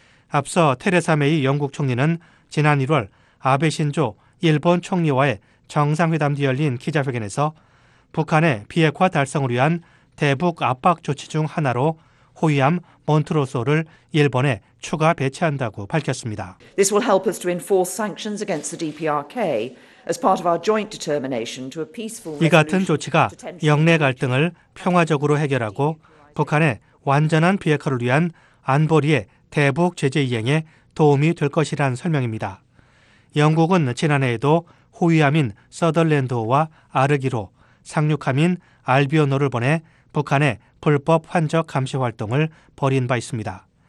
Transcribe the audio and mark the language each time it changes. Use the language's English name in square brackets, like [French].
[Korean] 앞서 테레사 메이 영국 총리는 지난 1월 아베 신조 일본 총리와의 정상회담 뒤 열린 기자회견에서 북한의 비핵화 달성을 위한 대북 압박 조치 중 하나로 호위함 몬트로소를 일본에 추가 배치한다고 밝혔습니다. [English] This will help us to enforce sanctions against the DPRK as part of our joint determination to a peaceful. [Korean] 이 같은 조치가 영내 갈등을 평화적으로 해결하고 북한의 완전한 비핵화를 위한 안보리의 대북 제재 이행에 도움이 될 것이란 설명입니다. 영국은 지난해에도 호위함인 서덜랜드호와 아르기로, 상륙함인 알비오노를 보내 북한의 불법 환적 감시 활동을 벌인 바 있습니다.